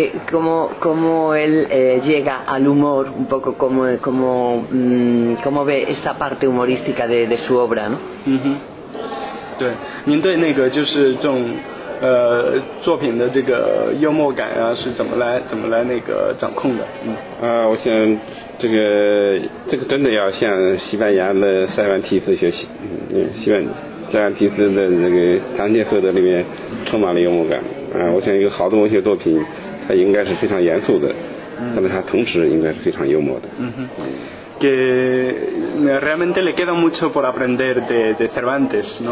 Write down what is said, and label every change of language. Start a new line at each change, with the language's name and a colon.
Spanish: ¿Cómo él llega al humor, un poco cómo ve esa parte humorística de su obra, ¿no? Uh-huh.
Chinese: 对，您对那个就是这种作品的这个幽默感啊，是怎么来那个掌控的？我想这个真的要向西班牙的塞万提斯学习。塞万提斯的那个《唐吉诃德》里面充满了幽默感。我想一个好的文学作品，它应该是非常严肃的，但是它同时应该是非常幽默的。
Spanish: Que realmente le queda mucho por aprender de Cervantes, ¿no?